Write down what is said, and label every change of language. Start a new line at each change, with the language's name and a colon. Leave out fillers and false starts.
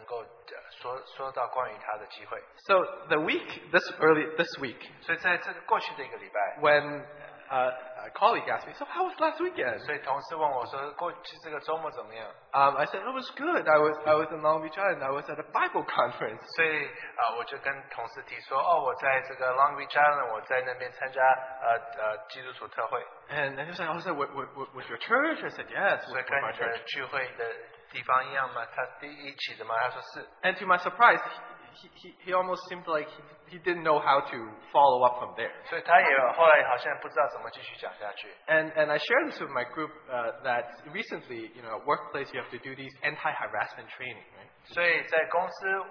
Chinese: 所以我常常觉得我荒废了主给我能够说到关于他的机会。
English: So the week, this week.
Chinese: 所以在这个过去的一个礼拜。
English: When a colleague asked me, so how was last weekend?
Chinese: 所以同事问我说过去这个周末怎么样?
English: I said, it was good. I was in Long Beach Island. I was at a Bible conference.
Chinese: 所以我就跟同事提说，哦，我在这个 Long Beach Island. 我在那边参加 基督徒特会。
English: And he was like, oh, so with your church? I said, yes.
Chinese: 所以跟聚会的地方一样吗？他一起的吗？他说是。
English: And to my surprise, he almost seemed like he didn't know how to follow up from there.
Chinese: 所以他也后来好像不知道怎么继续讲下去。
English: And I shared this with my group that recently, you know, workplace you have to do these anti-harassment training, right?